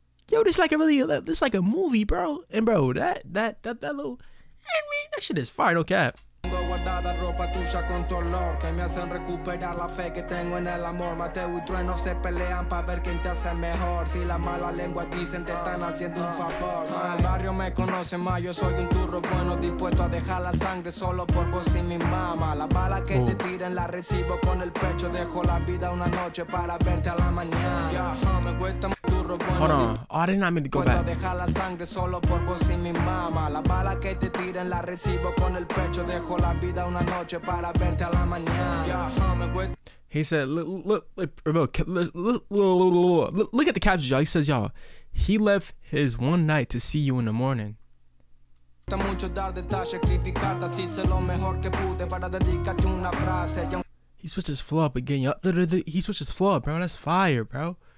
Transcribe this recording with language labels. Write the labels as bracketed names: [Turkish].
[English] Yo, this is like a really, this is like a movie, bro. And bro, that little, I mean, that shit is fire, no cap. [Spanish] Guardada ropa tuya con tu olor que me hacen recuperar la fe que tengo en el amor. Mateo y Trueno se pelean para ver quién te hace mejor. Si la mala lengua dicen te están haciendo un favor. El barrio me conoce más, yo soy un turro bueno dispuesto a dejar la sangre solo por vos y mi mamá. La bala que te tiren la recibo con el pecho. Dejo la vida una noche para verte a la mañana. Me cuesta. [English] Hold on. Oh, I did not mean to go back. [Spanish] Dejar la sangre solo por vos y mi mamá. La bala que te tiran la recibo con el pecho. Dejo la vida una noche para verte a la mañana. [English] He said, look at the caption, y'all. He says, y'all, he left his one night to see you in the morning. He switches flow up again. He switches flow up, bro. That's fire, bro.